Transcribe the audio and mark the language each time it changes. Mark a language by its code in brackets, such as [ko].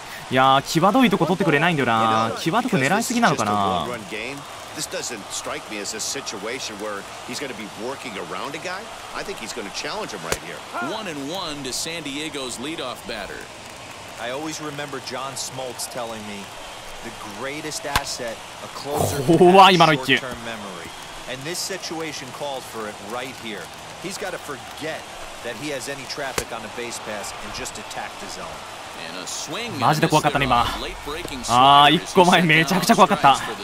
[ja] やー、際どいとこ取ってくれないんだよな。際どく狙いすぎなのかな。 [en] This doesn't strike me as a situation where he's going to be working around a guy. I think he's going to challenge him right here. One and one to San Diego's leadoff batter. I always remember John Smoltz telling me the greatest asset a closer has short-term memory. And this situation called for it right here. He's got to forget that he has any traffic on a base pass and just attack the zone. [ja] マジで怖かったね今。ああ、一個前めちゃくちゃ怖かった。